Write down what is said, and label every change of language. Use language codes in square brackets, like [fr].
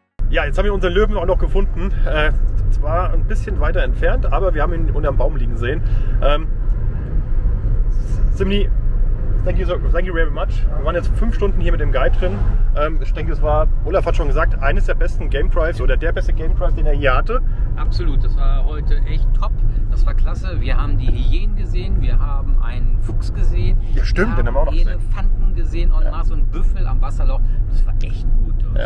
[de] Ja, jetzt haben wir unseren Löwen auch noch gefunden. Zwar ein bisschen weiter entfernt, aber wir haben ihn unter dem Baum liegen sehen. [en] Simni, thank you very much. [de] Wir waren jetzt 5 Stunden hier mit dem Guide drin. Ich denke, Olaf hat schon gesagt, eines der besten Game Drives oder der beste Game Drive, den er hier hatte. Absolut, das war heute echt top. Das war klasse. Wir haben die Hyänen gesehen, wir haben einen Fuchs gesehen. Ja, stimmt, den haben wir auch noch gesehen. Elefanten gesehen und mal so ein Büffel am Wasserloch. Das war echt gut. Ja.